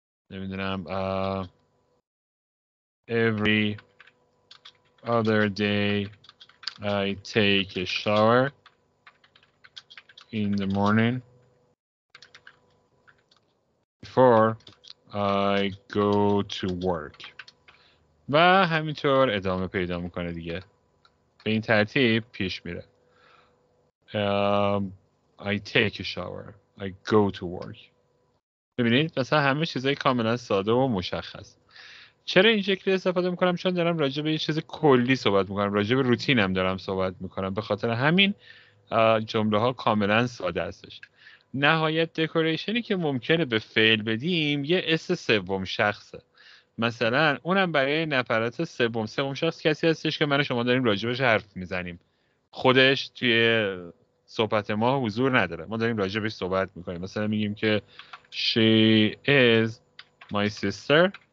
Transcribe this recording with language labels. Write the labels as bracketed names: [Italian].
[English] have [Persian] نمیدونم [English] every other day I take a shower in the morning before I go to work. [Persian] و همینطور ادامه پیدا میکنه دیگه. به این ترتیب پیش میره. [English] I take a shower. I go to work. [Persian] ببینید مثلا همه چیزای کاملا ساده و مشخص. چرا این شکلی استفاده میکنم؟ چون دارم راجع به یه چیز کلی صحبت میکنم. راجع به روتینم دارم صحبت میکنم. به خاطر همین جمله ها کاملا ساده هستش. نهایت دکوریشنی که ممکنه به فعل بدیم یه اس سوم شخصه. مثلا اونم برای نفرات سوم. سوم شخص کسی هستش که من و شما داریم راجبش حرف میزنیم. خودش توی صحبت ما حضور نداره. ما داریم راجبش صحبت میکنیم. مثلا میگیم که [English] She is my sister.